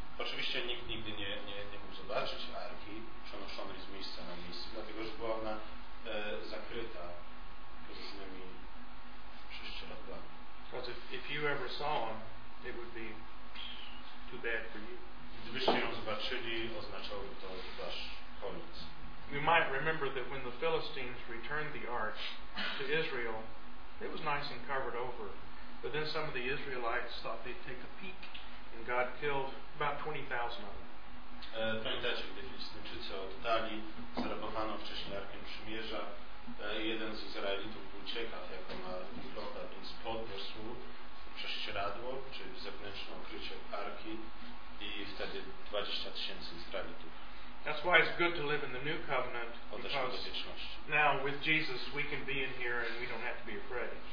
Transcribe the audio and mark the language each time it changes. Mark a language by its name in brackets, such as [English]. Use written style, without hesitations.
[Polish] Oczywiście nikt nigdy nie mógł zobaczyć Arki przenoszonej z miejsca na miejsce, dlatego że była ona zakryta różnymi sześcioladłami. [English] Because if you ever saw them, it would be too bad for you. [Polish] Gdybyście ją zobaczyli, oznaczałoby to wasz koniec. [English] You might remember that when the Philistines returned the ark to Israel, it was nice and covered over. But then some of the Israelites thought they'd take a peek, and God killed about 20,000 of them. [Polish] Pamiętacie, gdy Filistynczycy oddali zarabowaną wcześniej Arkę Przymierza, jeden z Izraelitów był ciekaw, jak ona wygląda, więc podniósł prześcieradło, czyli zewnętrzne okrycie Arki, i wtedy 20,000 Izraelitów. [English] That's why it's good to live in the new covenant. Because now with Jesus, we can be in here and we don't have to be afraid.